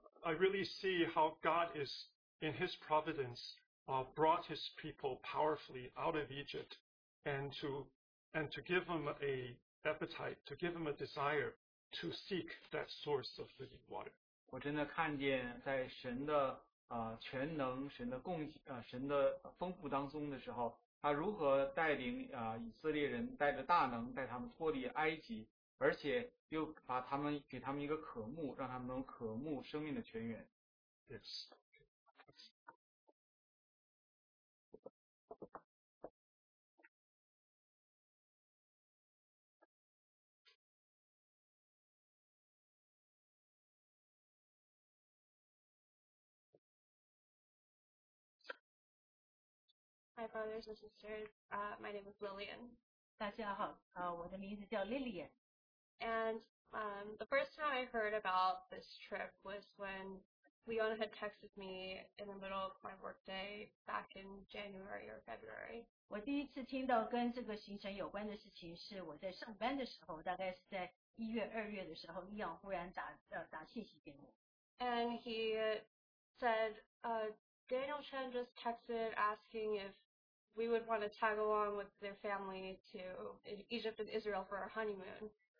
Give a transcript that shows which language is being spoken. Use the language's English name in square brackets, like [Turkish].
[English] I really see how God is in His providence brought His people powerfully out of Egypt and to give them a appetite, to give them a desire to seek that source of living water. [Chinese] 我真的看见在神的全能、神的供、神的丰富当中的时候。他如何带领以色列人带着大能带他们脱离埃及，而且又给他们一个渴慕，让他们能渴慕生命的泉源。Yes. [English] Hi, brothers and sisters. My name is Lillian. [Chinese] 大家好，我的名字叫Lillian. [English] And the first time I heard about this trip was when Leona had texted me in the middle of my workday back in January or February. [Chinese] 我第一次听到跟这个行程有关的事情是我在上班的时候，大概是在一月、二月的时候，Leon忽然打信息给我. [English] And he said, Daniel Chen just texted asking if we would want to tag along with their family to Egypt and Israel for our honeymoon.